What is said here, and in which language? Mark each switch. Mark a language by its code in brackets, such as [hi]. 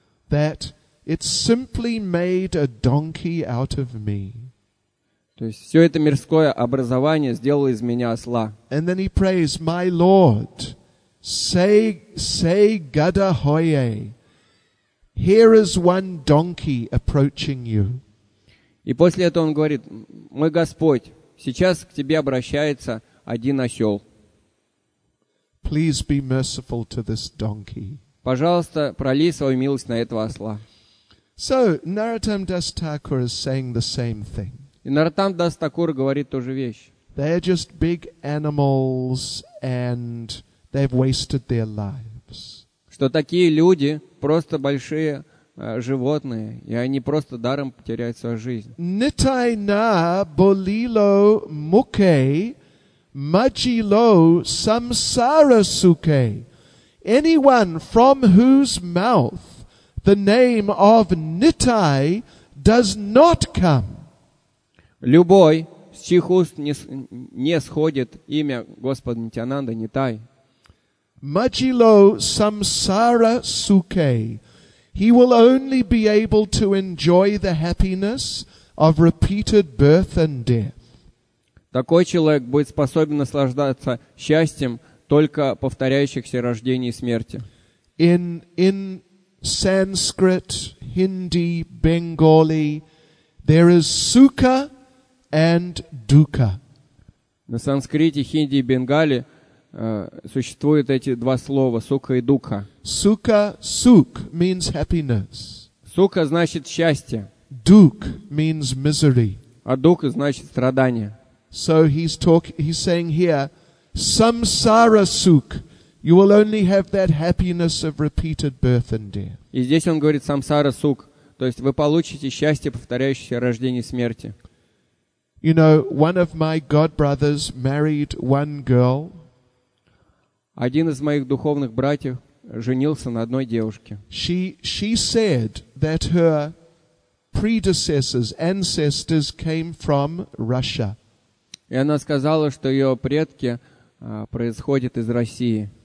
[en] That it simply made a donkey out of me. [ru] То есть все это мирское образование сделало из меня осла. [en] And then he prays, my Lord, [bn] say gada hoye. [en] Here is one donkey approaching you. [ru] И после этого он говорит, мой Господь, сейчас к тебе обращается один осел. [en] Please be merciful to this donkey. [ru] Пожалуйста, пролей свою милость на этого осла. [en] So, Narottam Das Thakur is saying the same thing. [ru] И Narottam Das Thakur говорит ту же вещь. [en] They are just big animals and they've wasted their lives. [ru] Что такие люди просто большие животные, и они просто даром потеряют свою жизнь. [bn] Nitai na bolilo muke majilo samsara suke. [en] Anyone from whose mouth the name of Nitai does not come. [ru] Любой, с чьих уст не сходит имя Господа Нитянанда, Нитай. [bn] Majilo samsara suke. [en] He will only be able to enjoy the happiness of repeated birth and death. [ru] Такой человек будет способен наслаждаться счастьем только повторяющихся рождений и смерти. [en] In Sanskrit, Hindi, Bengali, there is sukha and dukkha. [ru] На санскрите, хинди и бенгали существуют эти два слова сукха и дукха. [en] Сукха, сук, means happiness. [ru] Сукха значит счастье. [en] Дук means misery. [ru] А дукха значит страдание. [en] So he's saying here, samsara suk, you will only have that happiness of repeated birth and death. [ru] И здесь он говорит самсара сук, то есть вы получите счастье повторяющееся рождение и смерти. [en] You know, one of my god brothers married one girl. [ru] Один из моих духовных братьев женился на одной девушке. [en] She said that her predecessors, ancestors came from Russia. [ru] И она сказала, что ее предки происходят из России.